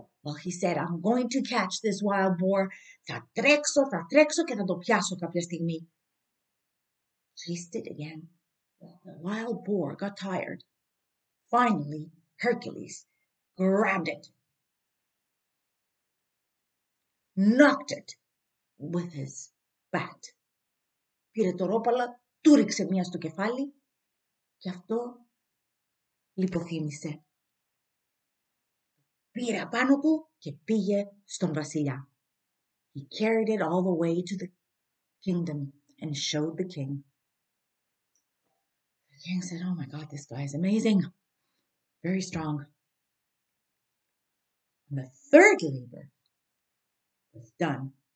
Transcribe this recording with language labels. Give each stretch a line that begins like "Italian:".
English: Well, he said, I'm going to catch this wild boar.
Greek: Θα τρέξω και θα το πιάσω κάποια στιγμή.
English: Chased it again. The wild boar got tired. Finally, Hercules grabbed it, knocked it with his bat.
Greek: Πήρε το ρόπαλα, του ρίξε μία στο κεφάλι και αυτό λιποθύμησε. Πήρε απάνω του και πήγε στον βασιλιά.
English: He carried it all the way to the kingdom and showed the king. King said, oh my God, this guy is amazing. Very strong. And the third labor was done.